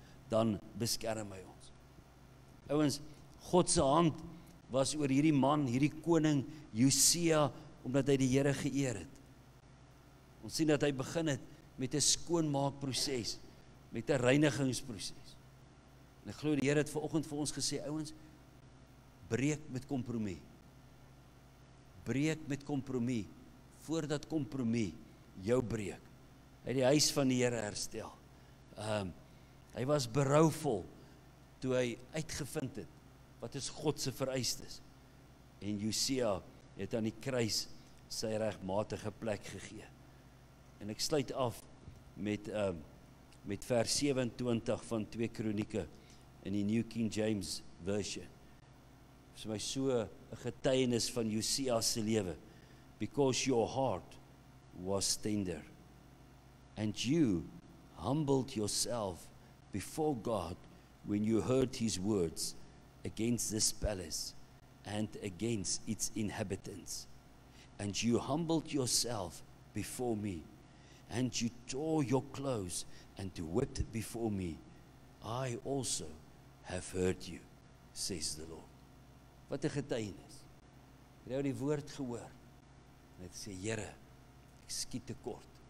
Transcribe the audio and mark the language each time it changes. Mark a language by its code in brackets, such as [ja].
[af] Dan beskerm hy ons. Ouens, God se hand was oor hierdie man, hierdie koning Josia, omdat hy die Here geëer het. Ons sien dat hy begin het met 'n skoonmaakproses, met 'n reinigingsproses. En ek glo die Here het vanoggend vir ons gesê, ouens, breek met kompromie. Breek met kompromie voordat kompromie jou breek. Hy die huis van die Here herstel. Hy was berouvol toe hy uitgevind het wat is God se vereistes. En Josia het aan die kruis sy regmatige plek gegee. En ek sluit af met vers 27 van 2 Kronieke in die New King James Version. Is my so 'n getuienis van Josia se lewe. [en] Because your heart was tender and you humbled yourself before God when you heard his words against this palace and against its inhabitants. And you humbled yourself before me, and you tore your clothes and wept before me. I also have heard you, says the Lord. [af] Wat 'n getuienis. Het jy die woord gehoor? En het sê, Here, ek skiet te kort.